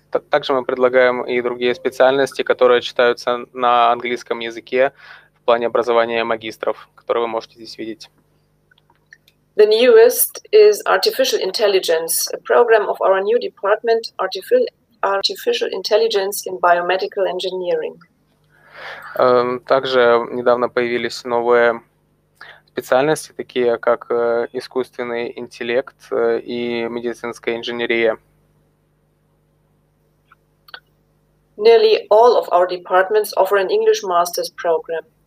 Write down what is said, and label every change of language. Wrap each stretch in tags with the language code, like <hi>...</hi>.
<ru>Также мы предлагаем и другие специальности, которые читаются на английском языке в плане образования магистров, которые вы можете здесь видеть.</ru> <en>The newest is Artificial Intelligence, a program of our new department, Artificial Intelligence in Biomedical Engineering.</en> <ru>Также недавно появились новые специальности, такие как искусственный интеллект и медицинская инженерия.</ru> <en>Nearly all of our departments offer an English master's program.</en>